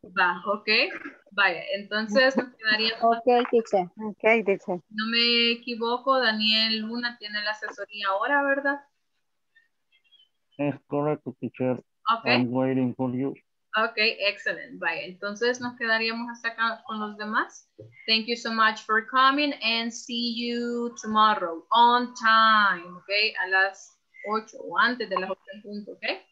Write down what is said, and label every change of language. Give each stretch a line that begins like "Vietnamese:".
Spanish: Va, ok. Vaya, entonces nos quedaría.
English: Ok, teacher.
Spanish: No me equivoco, Daniel Luna tiene la asesoría ahora, ¿verdad? Es correcto, teacher.
English: Okay. I'm waiting for you.
Spanish: Ok, excelente. Vaya, entonces nos quedaríamos hasta acá con los demás.
English: Thank you so much for coming and see you tomorrow on time, ok?
Spanish: A las 8 o antes de las 8 en punto, ok?